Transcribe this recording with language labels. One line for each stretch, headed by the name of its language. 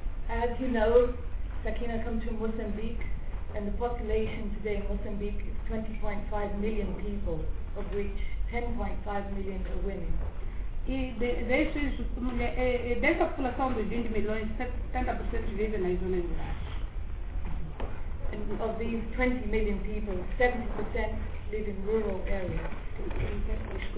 English: As you know, Sakina comes from Mozambique, and the population today in Mozambique is 20.5 million people, of which 10.5 million are women.
Portuguese: E dessa população dos 20 milhões, 70% vivem nas zonas rurais.
English: And of these 20 million people, 70% live in rural areas.